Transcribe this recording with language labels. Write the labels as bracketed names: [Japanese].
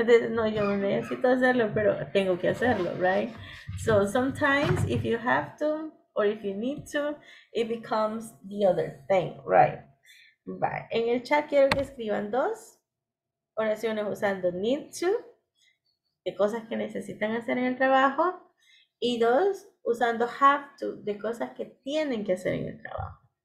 [Spanish] No, yo no necesito hacerlo, pero tengo que hacerlo, right? [English] So sometimes if you have to or if you need to, it becomes the other thing, right? Bye. [Spanish] En el chat quiero que escriban dos oraciones usando need to, de cosas que necesitan hacer en el trabajo, y dos usando have to, de cosas que tienen que hacer en el trabajo.